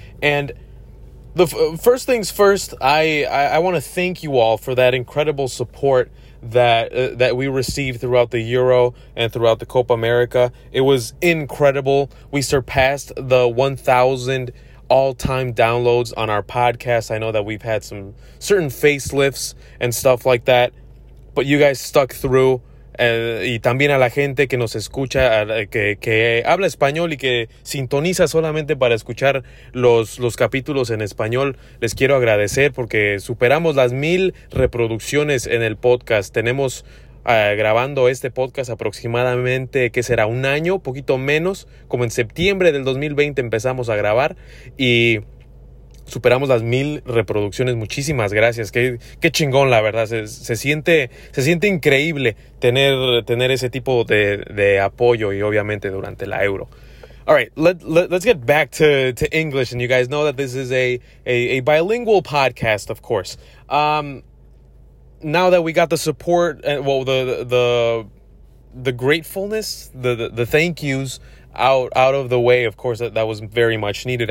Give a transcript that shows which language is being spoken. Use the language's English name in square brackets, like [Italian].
[English] And the first things first, I want to thank you all for that incredible support that that we received throughout the Euro and throughout the Copa America. It was incredible. We surpassed the 1,000 all-time downloads on our podcast. I know that we've had some certain facelifts and stuff like that, but you guys stuck through. [Spanish] Y también a la gente que nos escucha, que habla español y que sintoniza solamente para escuchar los capítulos en español. Les quiero agradecer porque superamos las 1,000 reproducciones en el podcast. Tenemos grabando este podcast aproximadamente, ¿qué será? Un año, poquito menos. Como en septiembre del 2020 empezamos a grabar y superamos las 1,000 reproducciones. Muchísimas gracias. Qué chingón, la verdad. Se siente increíble tener ese tipo de apoyo y obviamente durante la Euro. [English] All right, let's get back to English, and you guys know that this is a bilingual podcast, of course. Now that we got the support, well, the gratefulness, the thank yous out of the way, of course, that was very much needed.